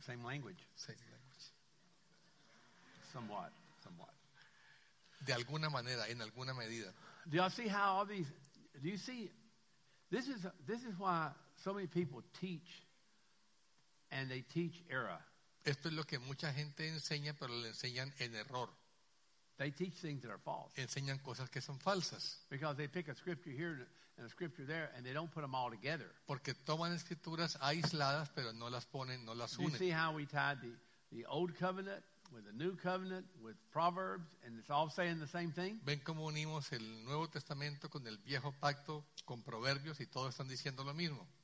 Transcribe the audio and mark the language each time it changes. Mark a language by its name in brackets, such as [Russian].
[English] Same language. Same language. Somewhat. [Spanish] De alguna manera, en alguna medida. [English] Do y'all see how all these, do you see, this is why so many people teach, and they teach error. [Spanish] Esto es lo que mucha gente enseña, pero le enseñan en error. [English] They teach things that are false. [Spanish] Enseñan cosas que son falsas. [English] Because they pick a scripture here and a scripture there, and they don't put them all together. [Spanish] Porque toman escrituras aisladas, pero no las ponen, no las unen. [English] You see how we tied the old covenant with the new covenant with Proverbs, and it's all saying the same thing? [Spanish] Ven cómo unimos el Nuevo Testamento con el Viejo Pacto con Proverbios, y todos están diciendo lo mismo.